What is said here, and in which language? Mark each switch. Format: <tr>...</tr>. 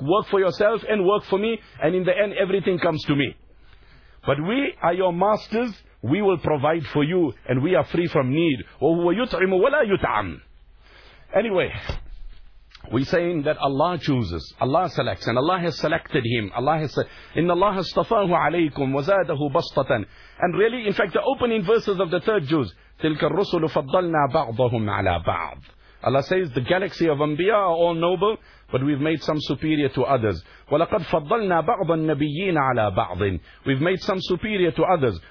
<en>Work for yourself and work for me. And in the end, everything comes to me. But we are your masters. We will provide for you. And we are free from need.</en> <ar>وَهُوَ يُطْعِمُ وَلَا يُطْعَمْ.</ar> <en>Anyway, we're saying that Allah chooses, Allah selects, and Allah has selected him. Allah has said,</en> <ar>إِنَّ اللَّهَ اصْطَفَاهُ عَلَيْكُمْ وَزَادَهُ بَسْطَةً.</ar> <en>And really, in fact, the opening verses of the third Jews,</en> <ar>تِلْكَ الرُّسُلُ فَضَّلْنَا بَعْضَهُمْ عَلَى بَعْضٍ.</ar> <en>Allah says, the galaxy of Anbiya are all noble, but we've made some superior to others.</en> <ar>وَلَقَدْ فَضَّلْنَا بَعْضَ النَّبِيِّينَ عَلَى بَعْضٍ.</ar> <en>We've made some superior to others.</en>